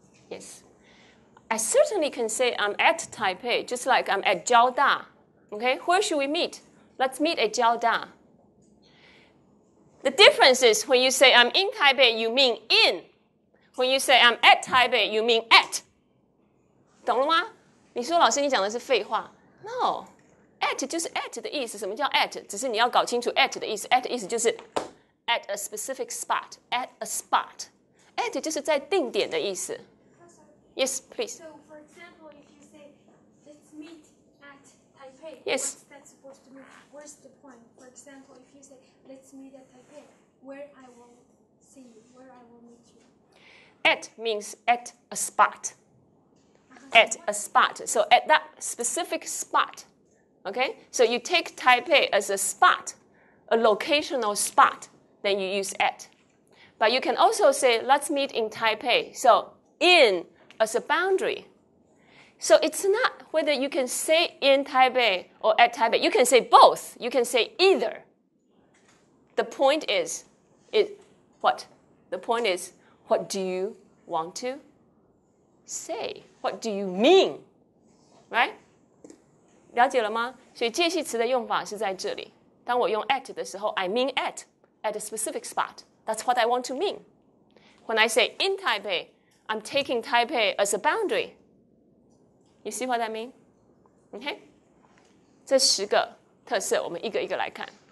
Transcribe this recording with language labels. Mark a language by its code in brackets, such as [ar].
[en] Yes, I certainly can say I'm at Taipei, just like I'm at 交大. Okay, where should we meet? Let's meet at 交大.The difference is when you say I'm in Taipei, you mean in. When you say I'm at Taipei, you mean at. [zh] 懂了吗？你说老师，你讲的是废话。 No, at 就是 at 的意思。什么叫 at？只是你要搞清楚 at 的意思。 [en] At 意思就是 at a specific spot, at a spot. [zh] At 就是在定点的意思。 [en] Yes, please. So, for example, if you say, let's meet at Taipei, yes. What's that supposed to mean? Where's the point? For example, if you say, let's meet at Taipei, where I will see you, where I will meet you. At means at a spot. At a spot. So, at that specific spot. Okay? So, you take Taipei as a spot, a locational spot, then you use at. But you can also say, let's meet in Taipei. So, in... as a boundary. So it's not whether you can say in Taipei or at Taipei. You can say both. You can say either. The point is, what? The point is, what do you want to say? What do you mean? Right? [zh] 了解了吗？所以介系词的用法是在这里。当我用 at 的时候 [en] I mean at a specific spot. That's what I want to mean. When I say in Taipei,I'm taking Taipei as a boundary. You see what I mean? Okay? [zh] 这十个特色我们一个一个来看。